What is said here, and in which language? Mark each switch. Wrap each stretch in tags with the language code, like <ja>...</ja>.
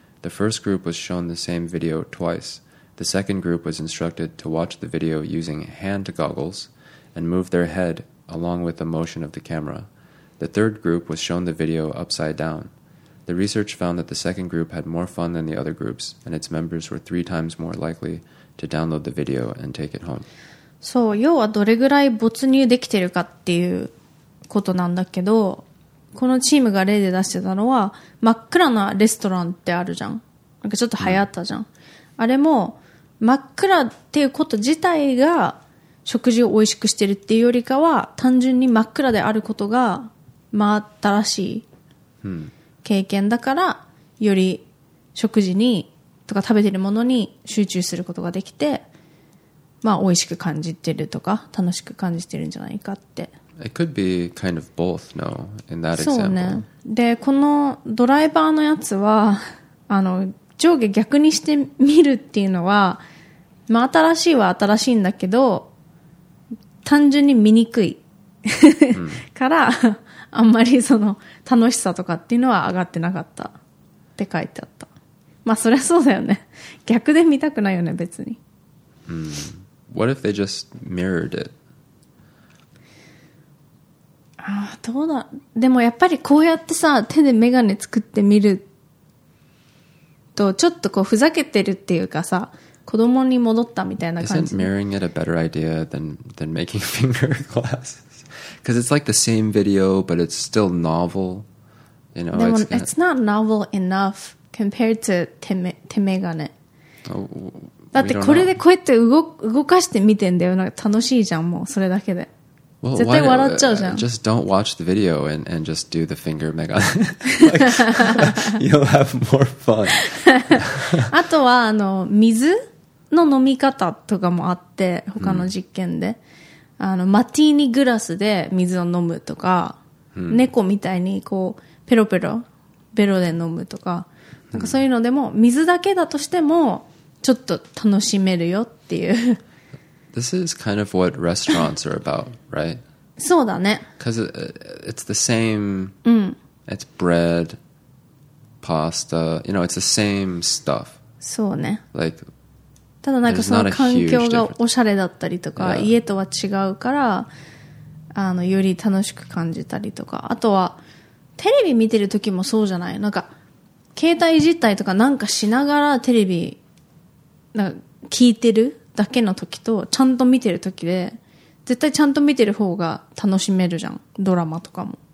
<en>The first group was shown the same video twice. The second group was instructed to watch the video using hand goggles and move their head along with the motion of the camera. The third group was shown the video upside down. The research found that the second group had more fun than the other groups, and its members were three times more likely to download the video and take it home.</en> <ja>そう、要はどれぐらい没入できてるかっていうことなんだけど、このチームが例で出してたのは、真っ暗なレストランってあるじゃん。なんかちょっと流行ったじゃん。あれも、真っ暗っていうこと自体が、食事を美味しくしてるっていうよりかは単純に真っ暗であることが真新しい経験だからより食事にとか食べてるものに集中することができて、まあ美味しく感じてるとか楽しく感じてるんじゃないかって。</ja> <en>It could be kind of both, no, in that example.</en> <ja>そうね。でこのドライバーのやつは上下逆にしてみるっていうのは真新しいは新しいんだけど単純に見にくいからあんまりその楽しさとかっていうのは上がってなかったって書いてあった。まあそれはそうだよね。逆で見たくないよね別に。</ja> <en>What if they just mirrored it?</en> <ja>ああどうだ。でもやっぱりこうやってさ手でメガネ作ってみるとちょっとこうふざけてるっていうかさ。子供に戻ったみたいな感じ。</ja> <en>Isn't mirroring it a better idea than making finger glasses? Because it's like the same video, but it's still novel. You know, it's not novel enough compared to 手メガネ。</en> <ja>だってこれでこうやって動かして見てんだよ。なんか楽しいじゃん、もうそれだけで。 Well, 絶対笑っちゃうじゃん。</ja> <en>Just don't watch the video and just do the finger mega. Like, you'll have more fun.</en> <ja>あとは、あの、水の飲み方とかもあって、他の実験で。 Mm. あの、マティーニグラスで水を飲むとか、mm. 猫みたいにこう、ペロペロ、ベロで飲むとか、なんかそういうのでも、mm. 水だけだとしても、ちょっと楽しめるよっていう。</ja> <en>This is kind of what restaurants are about, right?</en> <ja>そうだね。</ja> <en>Because it's the same,、</en> <ja>うん、</ja> <en>it's bread, pasta, you know, it's the same stuff.</en> <ja>そうね。</ja> <en>Like,</en> <ja>ただなんかその環境がおしゃれだったりとか、yeah. 家とは違うから、あの、より楽しく感じたりとか、あとはテレビ見てる時もそうじゃない? なんか、携帯いじったりとかなんかしながらテレビ、なんか聞いてるだけの時とちゃんと見てる時で絶対ちゃんと見てる方が楽しめるじゃんドラマとかも、</ja>